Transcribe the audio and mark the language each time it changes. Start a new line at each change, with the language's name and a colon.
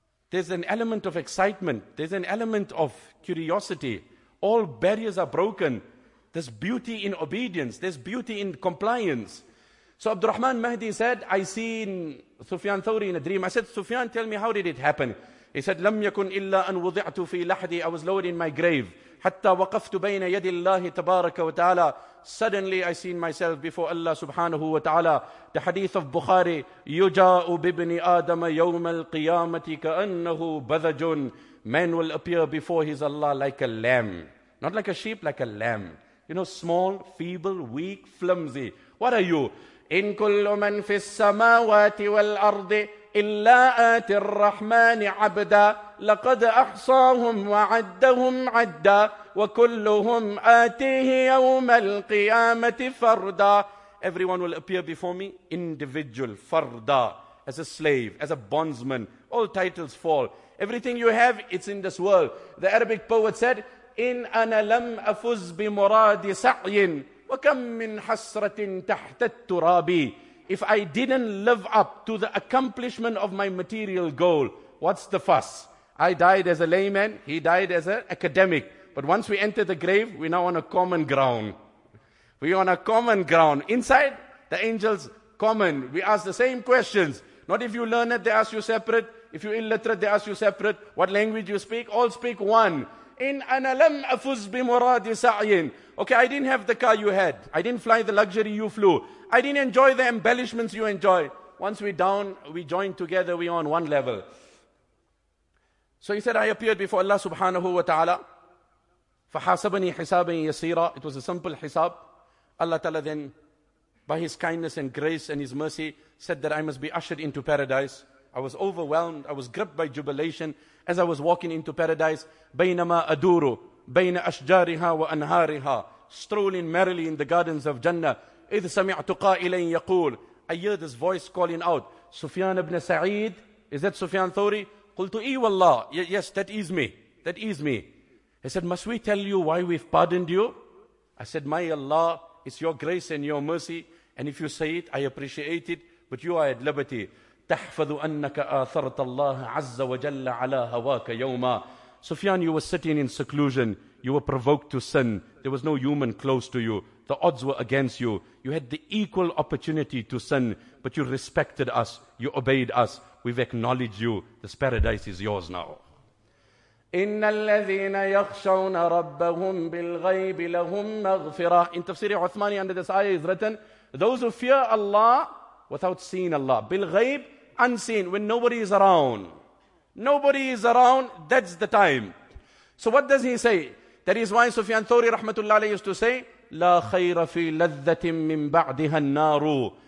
English: There's an element of excitement. There's an element of curiosity. All barriers are broken. There's beauty in obedience. There's beauty in compliance. So Abdurrahman Mahdi said, I seen Sufyan Thawri in a dream. I said, Sufyan, tell me, how did it happen? He said,
Arabic: لم يكن إلا أن وضعت في لحدي.
English: I was lowered in my grave.
Arabic: حتى وقفت بين يد الله تبارك وتعالى.
English: Suddenly I seen myself before Allah subhanahu wa ta'ala. The hadith of Bukhari,
Arabic: يُجَاءُ بِبْنِ آدَمَ يَوْمَ الْقِيَامَةِ كَأَنَّهُ بَذَجٌ.
English: Man will appear before his Allah like a lamb. Not like a sheep, like a lamb. You know, small, feeble, weak, flimsy. What are you?
Arabic: إِن كُلُّ مَن فِي السَّمَاوَاتِ وَالْأَرْضِ إِلَّا آتِ الرَّحْمَنِ عَبْدًا لَقَدْ أَحْصَاهُمْ وَعَدَّهُمْ عَدَّا وَكُلُّهُمْ آتِيهِ يَوْمَ الْقِيَامَةِ فَرْدًا.
English: Everyone will appear before me, individual, farda, as a slave, as a bondsman. All titles fall. Everything you have, it's in this world. The Arabic poet said,
Arabic: إِنْ أَنَا لَمْ أَفُزْ بِمُرَادِ سَعْيٍ وَكَمْ مِنْ حَسْرَةٍ تَحْتَ التُّرَابِ.
English: If I didn't live up to the accomplishment of my material goal, what's the fuss? I died as a layman, he died as an academic. But once we enter the grave, we're now on a common ground. We're on a common ground. Inside, the angels, common. We ask the same questions. Not if you learn it, they ask you separate. If you're illiterate, they ask you separate. What language you speak? All speak one.
Arabic: In أَنَا لَمْ أَفُزْ بِمُرَادِ سَعْيٍ.
English: Okay, I didn't have the car you had. I didn't fly the luxury you flew. I didn't enjoy the embellishments you enjoy. Once we're down, we join together, we're on one level. So he said, I appeared before Allah subhanahu wa ta'ala.
Arabic: فَحَاسَبَنِي حِسَابًا يَسِيرًا.
English: It was a simple hisab. Allah Ta'ala then, by His kindness and grace and His mercy, said that I must be ushered into paradise. I was overwhelmed. I was gripped by jubilation as I was walking into paradise.
Arabic: بينما أدور بين أشجارها وأنهارها,
English: strolling merrily in the gardens of Jannah.
Arabic: إذ سمعت قائلا يقول,
English: I hear this voice calling out, سفيان بن سعيد. Is that Sufyan Thawri?
Arabic: قلت إي والله.
English: Yes, that is me. That is me. He said, must we tell you why we've pardoned you? I said, my Allah, it's your grace and your mercy. And if you say it, I appreciate it. But you are at liberty.
Arabic: تحفظ أنك آثرت الله عز وجل على هواك يوما.
English: Sufyan, you were sitting in seclusion. You were provoked to sin. There was no human close to you. The odds were against you. You had the equal opportunity to sin. But you respected us. You obeyed us. We've acknowledged you. This paradise is yours now.
Arabic: إن الذين يخشون ربهم بالغيب لهم مغفرة.
English: In Tafsir Uthmani, under this ayah is written, those who fear Allah without seeing Allah. بالغيب, unseen, when nobody is around. Nobody is around, that's the time. So what does he say? That is why Sufyan Thawri rahmatullah alayhi used to say,
Arabic: لا خير في لذة من بعدها النار.